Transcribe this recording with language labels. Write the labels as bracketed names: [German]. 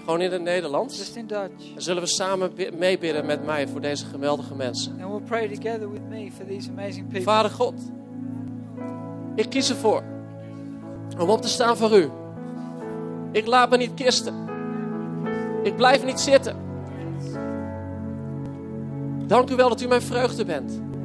[Dutch] gewoon in het Nederlands. [English] Just in Dutch. [Dutch] Dan zullen we samen meebidden met mij voor deze geweldige mensen. [English] And we'll pray together with me for these amazing people. [Dutch] Vader God, ik kies ervoor om op te staan voor u. Ik laat me niet kisten. Ik blijf niet zitten. Dank u wel dat u mijn vreugde bent.